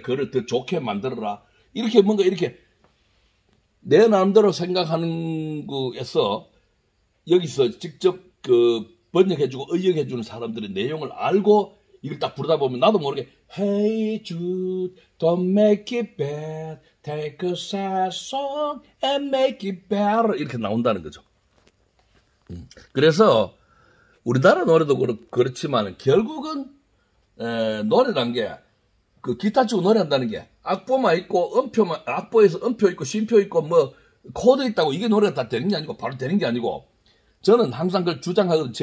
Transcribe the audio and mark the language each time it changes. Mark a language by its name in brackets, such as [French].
[Korean] 그를 더 좋게 만들어라. 이렇게 뭔가 이렇게 내 마음대로 생각하는 거에서 여기서 직접 그 번역해주고 의역해주는 사람들의 내용을 알고 이걸 딱 부르다 보면 나도 모르게 [English] Hey Jude, don't make it bad. Take a sad song and make it better. [Korean] 이렇게 나온다는 거죠. 그래서 우리나라 노래도 그렇지만 결국은 노래란 게 그 기타 치고 노래한다는 게 악보만 있고 음표만 악보에서 음표 있고 쉼표 있고 뭐 코드 있다고 이게 노래가 다 되는 게 아니고 바로 되는 게 아니고 저는 항상 그걸 주장하거든.